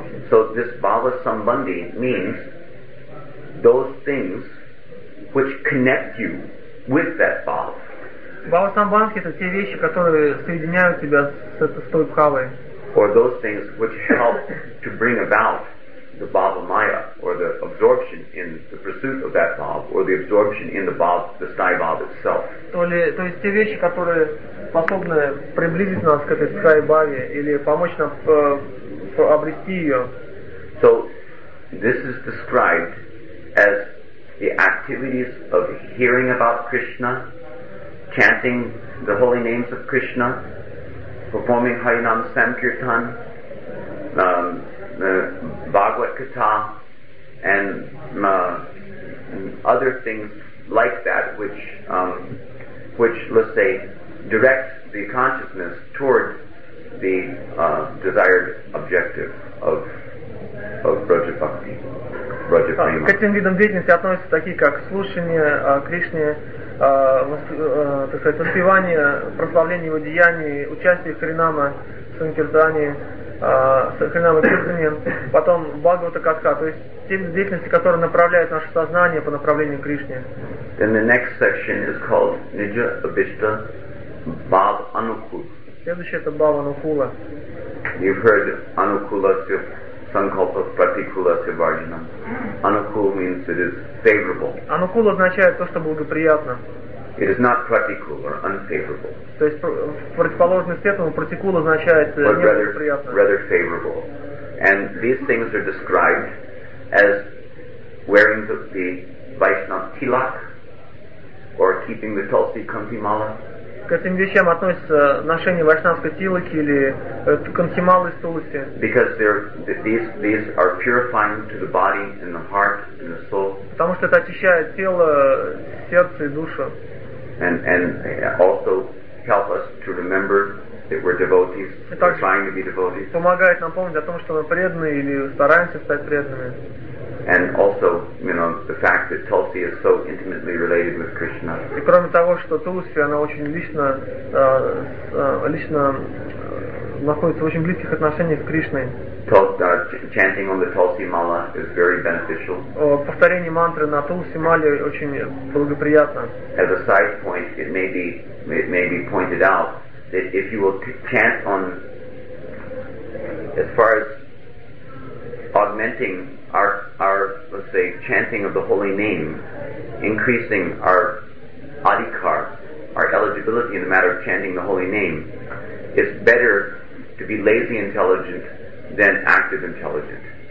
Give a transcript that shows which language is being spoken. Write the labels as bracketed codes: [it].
[en] So this bhava sambandhi means those things which connect you with that bhava. [ru] Bhava sambandhi это те вещи, которые соединяют тебя с той бхавой. [en] Or those things which help to bring about the bhava maya, or the absorption in the pursuit of that bhava, or the absorption in the bhava, the sky bhava itself. [ru] То есть те вещи, которые способны приблизить нас к этой sky bhava или помочь нам обрести ее. [en] So this is described as the activities of hearing about Krishna, chanting the holy names of Krishna, performing Harinam Sankirtan, Bhagavad Katha, and other things like that which let's say direct the consciousness toward the desired objective of Braja Bhakti, Braja Prema. [ru] К этим видам деятельности относятся такие как слушание Кришне, так сказать, воспевание, прославление его деяний, участие в Харинама Санкиртане, Харинама Кирдане, потом Бхагавата Катха, то есть те деятельности, которые направляют наше сознание по направлению Кришне. [en] Then the next section is called Nija Abhishta Bhav Anukul. [ru] Следующее это Bhav Anukula. [en] You've heard [sa] Anukulasya Sankalpa Pratikulasya Varjanam. [en] Anukul means it is favorable. [ru] Anukul означает то, что благоприятно. [en] It is not pratikul or unfavorable. [ru] То есть противоположность этому pratikul означает неблагоприятно. [en] Rather favorable. And these things are described as wearing the Vaishnav tilak or keeping the Tulsi Kanti mala. [ru] К этим вещам относятся ношение вайшнавской тилаки или кантималы с тулси. [en] Because these are purifying to the body and the heart and the soul. [ru] Потому что это очищает тело, сердце и душу. [en] And also help us to remember that we're devotees, we're trying to be devotees. [ru] Помогает нам помнить о том, что мы преданные или стараемся стать преданными. [en] And also, you know, the fact that Tulsi is so intimately related with Krishna. [ru] И кроме того, что Тулси, она очень лично, лично находится в очень близких отношениях с Кришной. [en] Chanting on the Tulsi Mala is very beneficial. [ru] Повторение мантры на Тулси Мале очень благоприятно. [en] As a side point, it may be pointed out that if you will chant on, as far as augmenting our let's say chanting of the holy name, increasing our adhikar, our eligibility in the matter of chanting the holy name, it's better to be lazy intelligent than active intelligent.